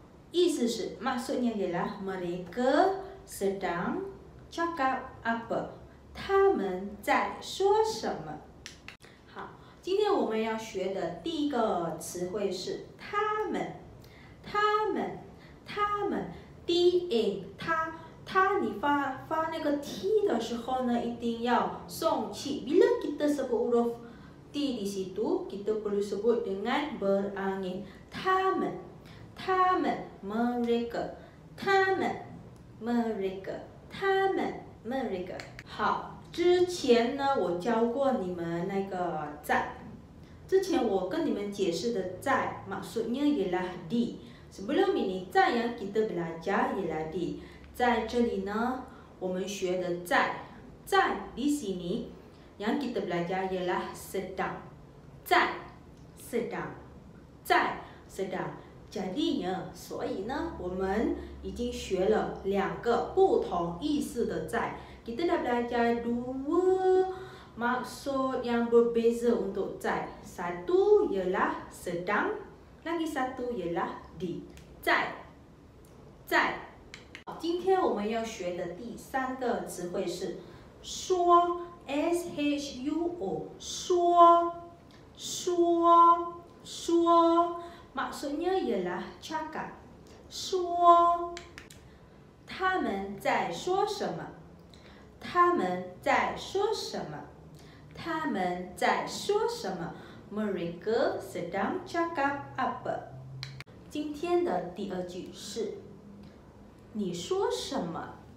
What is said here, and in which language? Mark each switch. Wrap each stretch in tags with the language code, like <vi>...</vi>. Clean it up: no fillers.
<zh>意思是</zh> <ms>maksudnya ialah mereka sedang cakap apa？</ms> <zh>他们在说什么？好，今天我们要学的第一个词汇是他们。他们，他们 ，D in 他，他你发那个 T 的时候呢，一定要送气。</zh> <ms>Bila kita sebut huruf T di situ, kita perlu sebut dengan berangin.</ms> <zh>他们，他们 ，mereka， 他们 ，mereka， 他们 ，mereka。好，之前呢，我教过你们那个在。之前我跟你们解释的在</zh> <ms>maksudnya ialah di。 Sebelum ini, 在 yang kita belajar ialah di。</ms> <zh>在这里呢，我们学的在。</zh> <ms>在 di sini, yang kita belajar ialah sedang。在 sedang。在 sedang。 Jadinya,</ms> <zh>所以呢，我们已经学了两个不同意思的在。</zh> <ms>Kita dah belajar dua maksud yang berbeza untuk zai. Satu ialah sedang, lagi satu ialah di.</ms> <zh>Zai. Zai. 今天我们要学的第三个词汇是说 ,S-H-U-O, 说说说</zh> <ms>maksudnya ialah cakap.</ms> <zh>说他们在说什么？他们在说什么？他们在说什么 ？</zh> <ms>Mereka sedang cakap apa？</ms> <zh>今天的第二句是：你说什么？</zh>